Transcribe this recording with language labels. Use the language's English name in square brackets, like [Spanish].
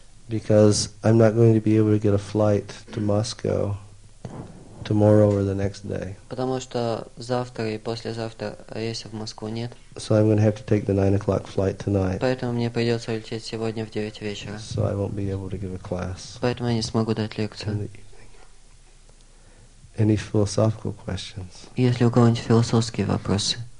[English] Because I'm not going to be able to get a flight to Moscow tomorrow or the next day. [Russian] Потому что завтра и послезавтра рейса в Москву нет. [English] So I'm going to have to take the 9 o'clock flight tonight. [Russian] Поэтому мне придется улететь сегодня в 9 вечера. [English] So I won't be able to give a class. [Russian] Поэтому я не смогу дать лекцию. [English] In the evening. Any philosophical questions? [Russian] Если у кого-нибудь философские вопросы.